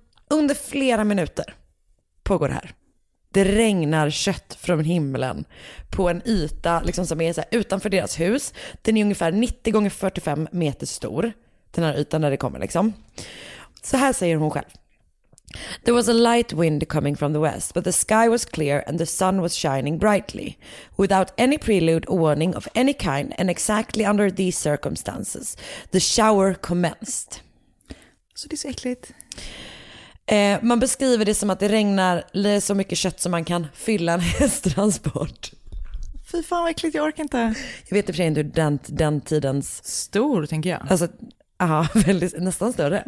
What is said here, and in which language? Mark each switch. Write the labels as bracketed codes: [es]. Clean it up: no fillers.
[sv] Under flera minuter pågår det här. Det regnar kött från himlen på en yta liksom som är så här, utanför deras hus. Den är ungefär 90x45 meter stor. Den här ytan där det kommer liksom. Så här säger hon själv. [en] There was a light wind coming from the west, but the sky was clear and the sun was shining brightly, without any prelude or warning of any kind, and exactly under these circumstances, the shower commenced. [sv] Så det är så äckligt. Man beskriver det som att det regnar så mycket kött som man kan fylla en hästtransport. Fy fan vad äckligt, jag orkar inte. Jag vet inte hur den tidens... Stor, tänker jag. Alltså, aha, väldigt, nästan större.